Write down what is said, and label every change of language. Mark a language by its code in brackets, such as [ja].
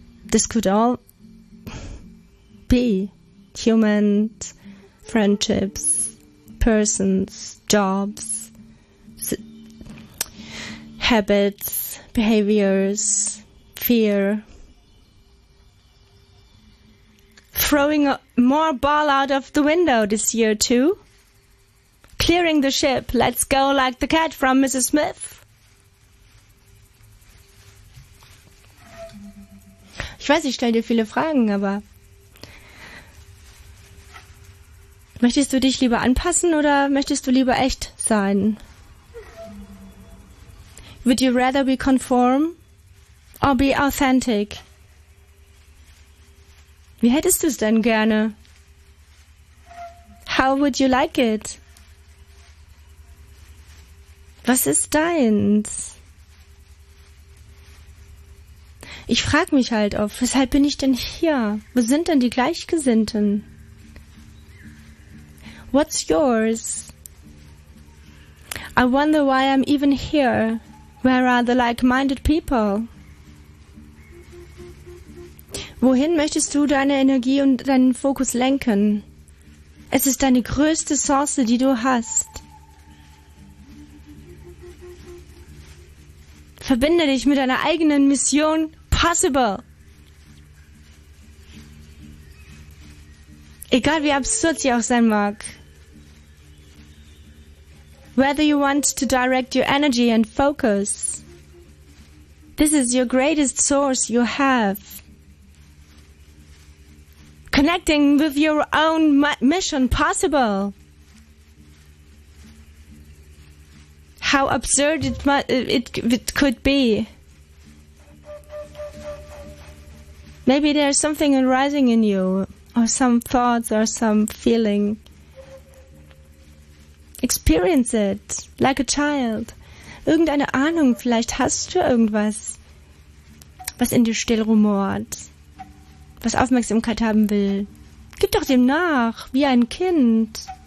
[en] This could all be humans, friendships, persons, jobs, habits, behaviors, fear. Throwing more ball out of the window this year too. Clearing the ship, let's go like the cat from Mrs. Smith. [de] Ich weiß, ich stelle dir viele Fragen, aber möchtest du dich lieber anpassen oder möchtest du lieber echt sein? [en] Would you rather be conform or be authentic? [de] Wie hättest du es denn gerne? [en] How would you like it? [de] Was ist deins? Ich frage mich halt oft, weshalb bin ich denn hier? Wo sind denn die Gleichgesinnten? [en] What's yours? I wonder why I'm even here. Where are the like-minded people? [de] Wohin möchtest du deine Energie und deinen Fokus lenken? Es ist deine größte Source, die du hast. Verbinde dich mit deiner eigenen Mission. Possible. Egal wie absurd sie auch sein mag. [en] whether you want to direct your energy and focus. This is your greatest source you have. Connecting with your own mission possible. How absurd it could be. Maybe there's something arising in you, or some thoughts, or some feeling. Experience it, like a child. [de] Irgendeine Ahnung, vielleicht hast du irgendwas, was in dir still rumort, was Aufmerksamkeit haben will. Gib doch dem nach, wie ein Kind.